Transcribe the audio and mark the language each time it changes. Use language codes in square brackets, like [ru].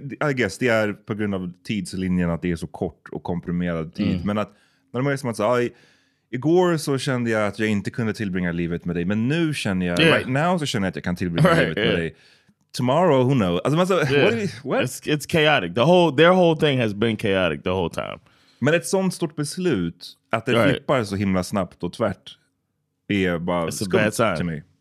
[en] I guess [sv] det är på grund av tidslinjen att det är så kort och komprimerad tid. Men att när man är som att säga, igår så kände jag att jag inte kunde tillbringa livet med dig. Men nu känner jag, [en] right now [sv] så känner jag att jag kan tillbringa livet med dig. [en] Tomorrow, who knows? Alltså, what? It's chaotic. Their whole thing has been chaotic the whole time. [sv] Men ett sånt stort beslut att det flippar så himla snabbt och tvärt är bara skumt till mig.